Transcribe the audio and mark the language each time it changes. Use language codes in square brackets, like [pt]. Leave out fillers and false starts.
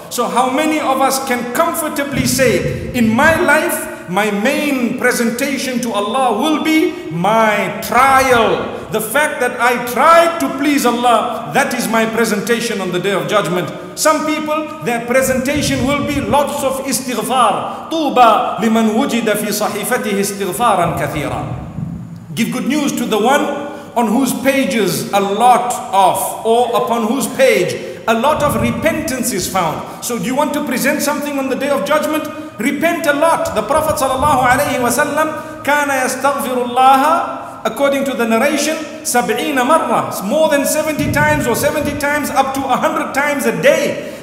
[en] So how many of us can comfortably say, in my life, my main presentation to Allah will be my trial. The fact that I tried to please Allah, that is my presentation on the Day of Judgment. Some people, their presentation will be lots of istighfar. [ar] طوبى لمن وجد في صحيفته استغفارا كثيرا. [en] Give good news to the one on whose pages a lot of, or upon whose page a lot of repentance is found. So do you want to present something on the Day of Judgment? Repent a lot. The Prophet sallallahu alayhi wa sallam [ar] كان يستغفر الله, [en] according to the narration, 70 marra, more than 70 times, or 70 times up to 100 times a day.